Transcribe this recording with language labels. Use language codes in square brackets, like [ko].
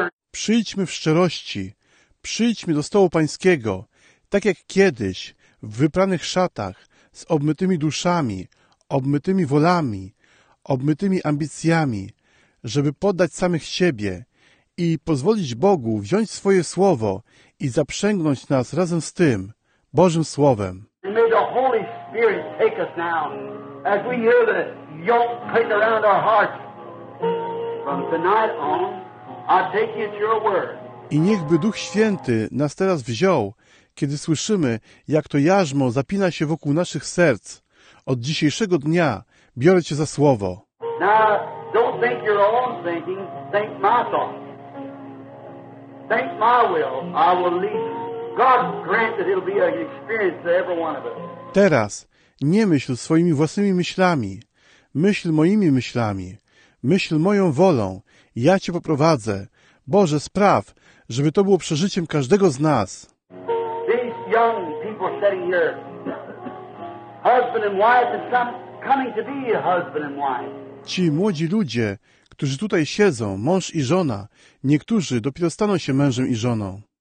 [pl] Przyjdźmy w szczerości, przyjdźmy do stołu Pańskiego, tak jak kiedyś, w wypranych szatach, z obmytymi duszami, obmytymi wolami, obmytymi ambicjami, żeby poddać samych siebie i pozwolić Bogu wziąć swoje słowo i zaprzęgnąć nas razem z tym, Bożym Słowem. [en] And may the Holy Spirit take us now, as we hear the yoke click around our hearts. From tonight on, I take you at your word. [pl] I niechby Duch Święty nas teraz wziął, kiedy słyszymy, jak to jarzmo zapina się wokół naszych serc. Od dzisiejszego dnia biorę Cię za słowo. [en] Now, don't think your own thinking, think my thoughts. Think my will, I will lead you. God grant that it'll be an experience to every one of us. [pl] Teraz nie myśl swoimi własnymi myślami. Myśl moimi myślami. Myśl moją wolą. Ja Cię poprowadzę. Boże, spraw, żeby to było przeżyciem każdego z nas. [en] These young people sitting here, husband and wife, and some coming to be a husband and wife. [pl] Ci młodzi ludzie, którzy tutaj siedzą, mąż i żona, niektórzy dopiero staną się mężem i żoną.